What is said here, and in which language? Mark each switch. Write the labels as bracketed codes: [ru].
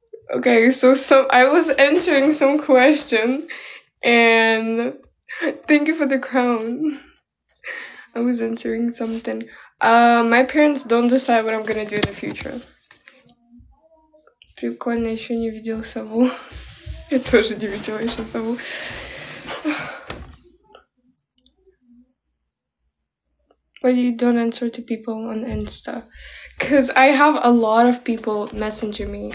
[en] Okay, so I was answering some question and thank you for the crown. I was answering something. My parents don't decide what I'm gonna do in the future. [ru] Прикольно, еще не видел сову. Я тоже не видела еще сову. [en] Why you don't answer to people on Insta? Because I have a lot of people messenger me.